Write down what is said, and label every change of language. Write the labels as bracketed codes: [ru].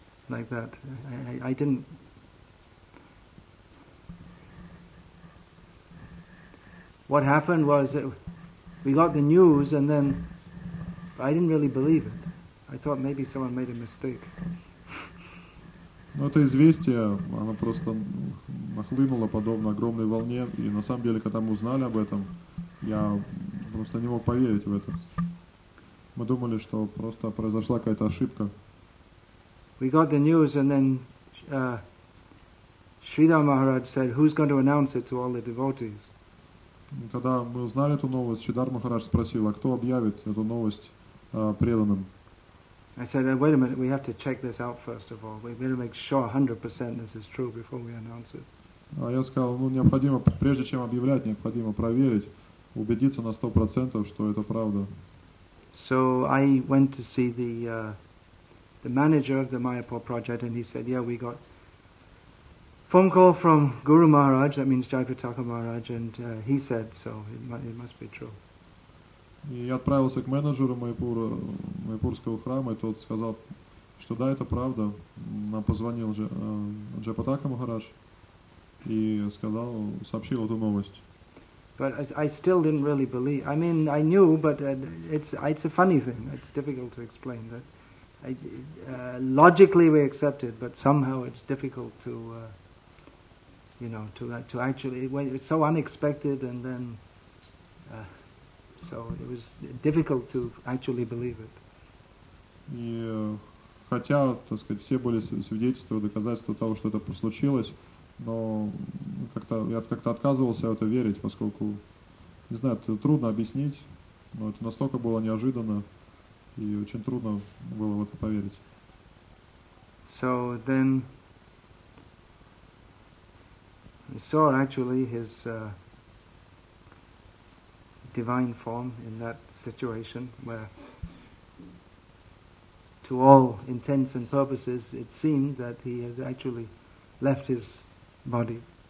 [en] Like that, I didn't. What happened was that we got the news, and then I didn't really believe it. I thought maybe someone made a mistake. [ru] Ну, это известие, оно просто нахлынуло подобно огромной волне, и на самом деле, когда мы узнали об этом, я просто не мог поверить в это. Мы думали, что просто произошла какая-то ошибка. [en] We got the news, and then Shridhar Maharaj said, "Who's going to announce it to all the devotees?" [ru] Когда мы узнали эту новость, Шридхар Махарадж спросил, а кто объявит эту новость преданным? [en] I said, "Wait a minute, we have to check this out first of all. We need to make sure 100% this is true before we announce it." [ru] Я сказал, ну необходимо, прежде чем объявлять, необходимо проверить, убедиться на 100%, что это правда. [en] So I went to see the manager of the Mayapur project, and he said, "Yeah, we got phone call from Guru Maharaj, that means Jayapataka Maharaj, and he said so. It must be true." [ru] И я отправился к менеджеру Майпурского храма, и тот сказал, что да, это правда. Нам позвонил Джайпатака Махарадж и сказал, сообщил эту новость. [en] But I still didn't really believe. I mean, I knew, but it's a funny thing. It's difficult to explain that. Logically we accept it, but somehow it's difficult to actually. It's so unexpected, and then. So it was difficult to actually believe it. [ru] И хотя, так сказать, все были свидетельства, доказательства того, что это случилось, но я как-то отказывался в это верить, поскольку, не знаю, это трудно объяснить, но это настолько было неожиданно, и очень трудно было в это поверить. [en] So then I saw actually his divine form in that situation, where to all intents and purposes it seemed that he had actually left his body.